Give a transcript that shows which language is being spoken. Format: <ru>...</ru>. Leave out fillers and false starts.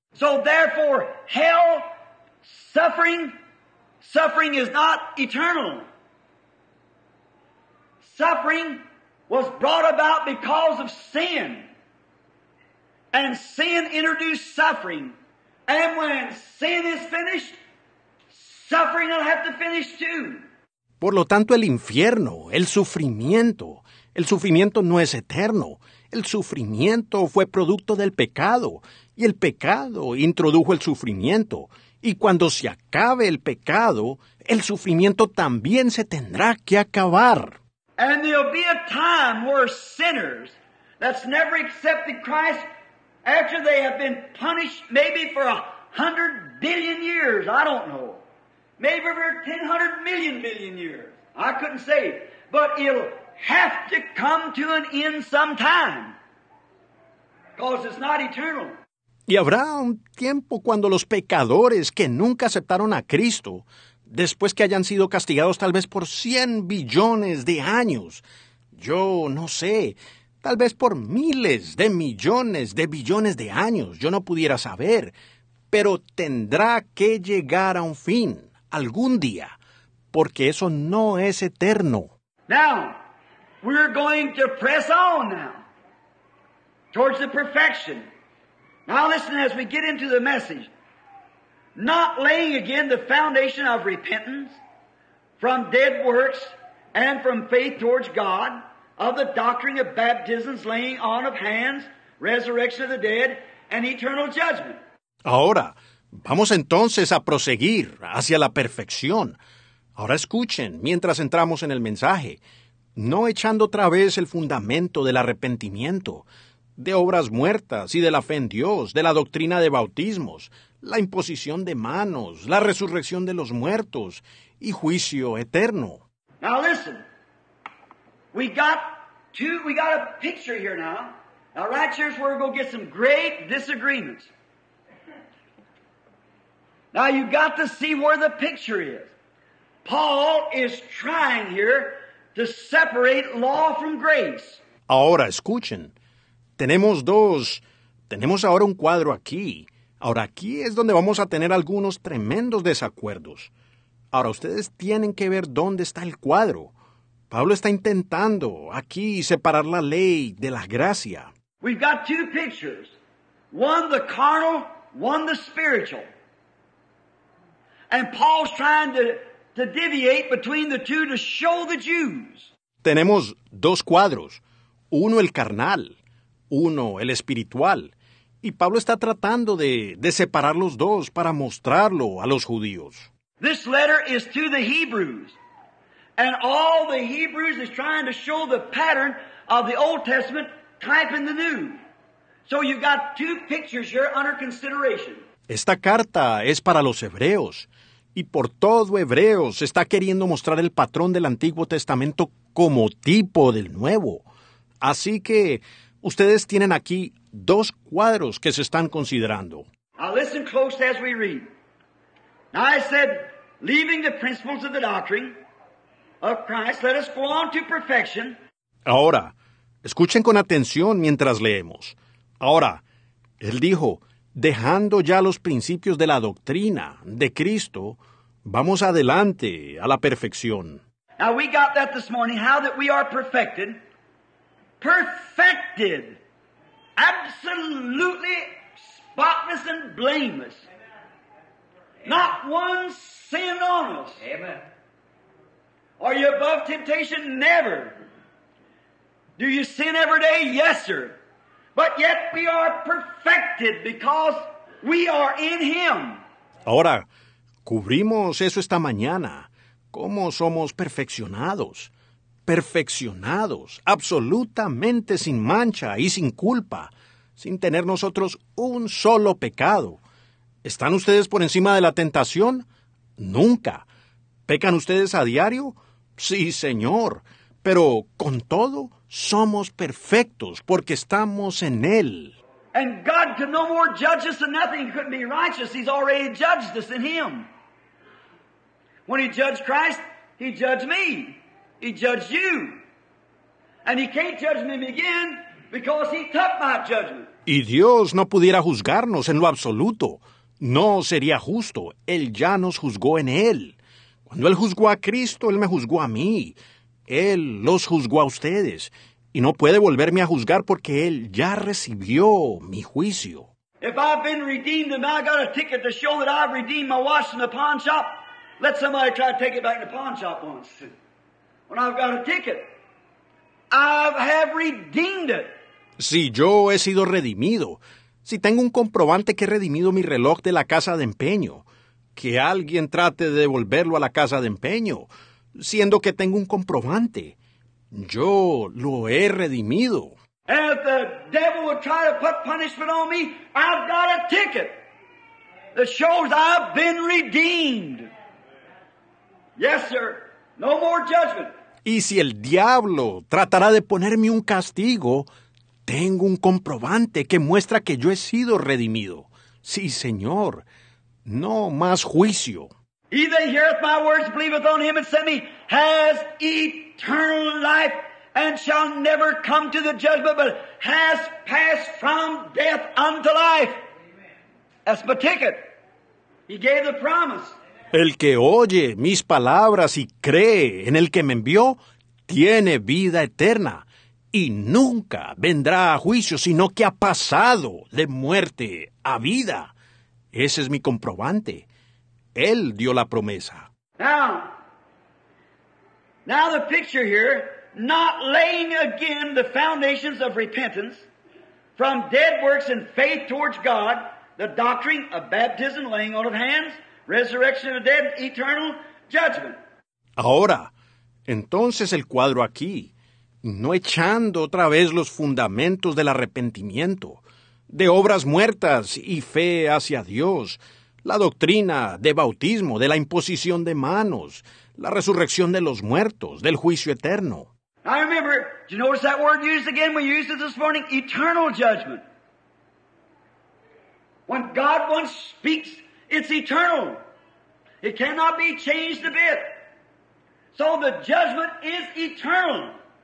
<en>So therefore, hell, suffering is not eternal. Suffering was brought about because of sin. And sin introduced suffering. And when sin is finished, suffering will have to finish too.</en> <es>Por lo tanto, el infierno, el sufrimiento no es eterno. El sufrimiento fue producto del pecado, y el pecado introdujo el sufrimiento. Y cuando se acabe el pecado, el sufrimiento también se tendrá que acabar.</es> <en>And there'll be a time where sinners that's never accepted Christ, after they have been punished maybe for 100 billion years, I don't know. Maybe for 100 million years. I couldn't say. But it'll have to come to an end sometime. Because it's not eternal.</en> <es>Y habrá un tiempo cuando los pecadores que nunca aceptaron a Cristo, después que hayan sido castigados tal vez por 100 billones de años, yo no sé, tal vez por miles de millones de billones de años, yo no pudiera saber, pero tendrá que llegar a un fin. Algún día, porque eso no es eterno.</es> <en>Now, we're going to press on now towards the perfection. Now listen as we get into the message. Not laying again the foundation of repentance from dead works and from faith towards God, of the doctrine of baptisms, laying on of hands, resurrection of the dead, and eternal judgment.</en> <es>Ahora, vamos entonces a proseguir hacia la perfección. Ahora escuchen mientras entramos en el mensaje, no echando otra vez el fundamento del arrepentimiento, de obras muertas y de la fe en Dios, de la doctrina de bautismos, la imposición de manos, la resurrección de los muertos y juicio eterno.</es> <en>Now listen. We got a picture here now. Now right here's where we're going to get some great disagreements. Now you've got to see where the picture is. Paul is trying here to separate law from grace.</en> <es>Ahora escuchen. Tenemos ahora un cuadro aquí. Ahora aquí es donde vamos a tener algunos tremendos desacuerdos. Ahora ustedes tienen que ver dónde está el cuadro. Pablo está intentando aquí separar la ley de la gracia.</es> <en>We've got two pictures. One the carnal, one the spiritual. And Paul's trying to deviate between the two to show the Jews.</en> <es>Tenemos dos cuadros. Uno el carnal, uno el espiritual. Y Pablo está tratando de separar los dos para mostrarlo a los judíos.</es> <en>This letter is to the Hebrews. And all the Hebrews is trying to show the pattern of the Old Testament type in the New. So you've got two pictures here under consideration.</en> <es>Esta carta es para los hebreos. Y por todo hebreo se está queriendo mostrar el patrón del Antiguo Testamento como tipo del Nuevo. Así que ustedes tienen aquí dos cuadros que se están considerando.</es> <en>Now listen close as we read. Now I said, leaving the principles of the doctrine of Christ, let us go on to perfection.</en> <es>Ahora, escuchen con atención mientras leemos. Ahora, él dijo, dejando ya los principios de la doctrina de Cristo, vamos adelante a la perfección.</es> <en>Now we got that this morning, how that we are perfected. Perfected. Absolutely spotless and blameless. Not one sin on us. Amen. Are you above temptation? Never. Do you sin every day? Yes, sir. But yet we are perfected because we are in Him.</en> <es>Ahora, cubrimos eso esta mañana. ¿Cómo somos perfeccionados? Perfeccionados, absolutamente sin mancha y sin culpa, sin tener nosotros un solo pecado. ¿Están ustedes por encima de la tentación? Nunca. ¿Pecan ustedes a diario? Sí, Señor. Pero con todo, somos perfectos porque estamos en Él.</es> <en>And God can no more judge us than nothing. He couldn't be righteous. He's already judged us in Him. When He judged Christ, He judged me. He judged you. And He can't judge me again because He took my judgment.</en> <es>Y Dios no pudiera juzgarnos en lo absoluto. No sería justo. Él ya nos juzgó en Él. Cuando Él juzgó a Cristo, Él me juzgó a mí. Él los juzgó a ustedes, y no puede volverme a juzgar porque Él ya recibió mi juicio.</es> <en>If I've been redeemed and I got a ticket to show that I've redeemed my watch in the pawn shop, let somebody try to take it back to the pawn shop once. When I've got a ticket, I have redeemed it.</en> <es>Si yo he sido redimido, si tengo un comprobante que he redimido mi reloj de la casa de empeño, que alguien trate de devolverlo a la casa de empeño, siendo que tengo un comprobante, yo lo he redimido.</es> <en>If the devil would try to put punishment on me, I've got a ticket that shows I've been redeemed. Yes, sir. No more judgment.</en> <es>Y si el diablo tratará de ponerme un castigo, tengo un comprobante que muestra que yo he sido redimido. Sí, Señor. No más juicio.</es> <en>He that heareth my words, believeth on him that sent me, has eternal life, and shall never come to the judgment, but has passed from death unto life. That's my ticket. He gave the promise.</en> <es>El que oye mis palabras y cree en el que me envió, tiene vida eterna, y nunca vendrá a juicio, sino que ha pasado de muerte a vida. Ese es mi comprobante. Él dio la promesa.</es> <en>Now the picture here, not laying again the foundations of repentance from dead works and faith towards God, the doctrine of baptism, laying on of hands, resurrection of the dead, eternal judgment.</en> <es>Ahora, entonces el cuadro aquí, no echando otra vez los fundamentos del arrepentimiento, de obras muertas y fe hacia Dios, la doctrina de bautismo, de la imposición de manos, la resurrección de los muertos, del juicio eterno.</es> <en>I remember, did you notice that word used again? We used it this morning, eternal judgment. When God once speaks, it's eternal. It cannot be changed a bit. So the judgment is eternal.</en>